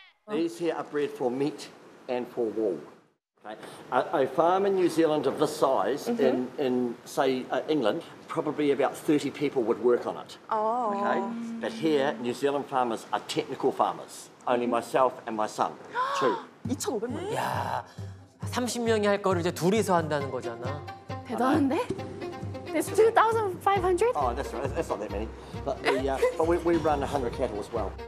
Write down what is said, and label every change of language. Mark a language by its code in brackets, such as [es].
[en] These here are bred for meat and for wool. A farm in New Zealand of this size, mm-hmm. in say England, probably about 30 people would work on it. Oh. Okay. But here, New Zealand farmers are technical farmers. Only myself and my son, two. 2,500. Yeah. [ko] 30명이 할 거를 이제 둘이서 한다는 거잖아. 대단한데? [en] It's 2,500. Oh, that's right. That's not that many. But we but we run 100 cattle as well.